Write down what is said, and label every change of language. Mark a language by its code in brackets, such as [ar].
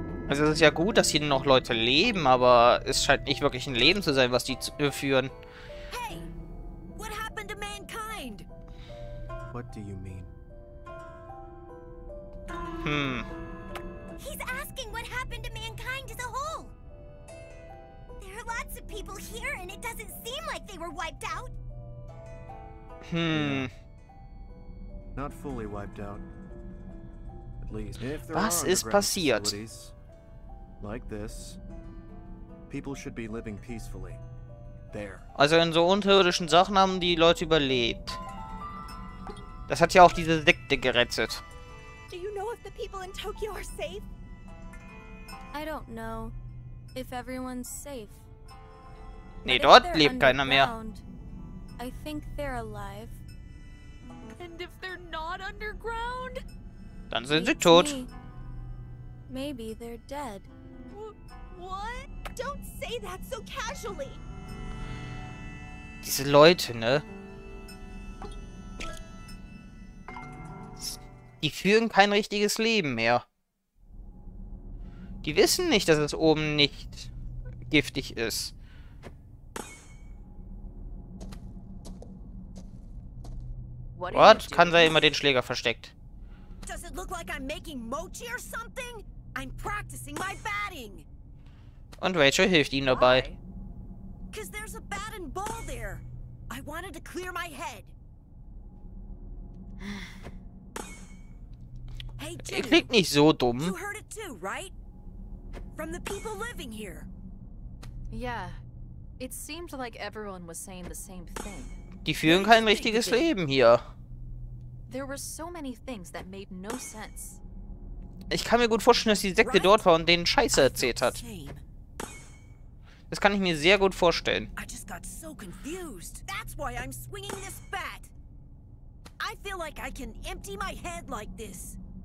[de] Also es ist ja gut, dass hier noch Leute leben, aber es scheint nicht wirklich ein Leben zu sein, was die führen. [en] Hey, what happened to mankind? What do you mean? He's asking what happened to mankind as a whole. There are lots of people here and it doesn't seem like they were wiped out. Not fully wiped out. [de] Was ist passiert? [en] Like this, people should be living peacefully. There. [de] Also in so unterirdischen Sachen haben die Leute überlebt. Das hat ja auch diese Sekte gerettet. [en] Do you know if the people in Tokyo are safe? I don't know if everyone's safe. [de] Nee, dort lebt keiner mehr. [en] I think they're alive. And if they're not underground? [de] Dann sind sie tot. [en] Maybe they're dead. What? Don't say that so casually. [de] Diese Leute, ne? Die führen kein richtiges Leben mehr. Die wissen nicht, dass es oben nicht giftig ist. What? Kann sein, immer den Schläger versteckt. [en] Does it look like I'm making mochi or something? I'm practicing my batting. [de] Und Rachel hilft ihm dabei. [en] Because there's a bat and ball there. I wanted to clear my head. [de] Hey, Jim. Klingt nicht so dumm. [en] You heard it too, right? From the people living here. Yeah. It seemed like everyone was saying the same thing. [de] Die führen kein richtiges Leben hier. [en] There were so many things that made no sense. [de] Ich kann mir gut vorstellen, dass die Sekte right? dort war und denen Scheiße erzählt hat. Das kann ich mir sehr gut vorstellen. [en] I just got so confused. That's why I'm swinging this bat. I feel like I can empty my head like this.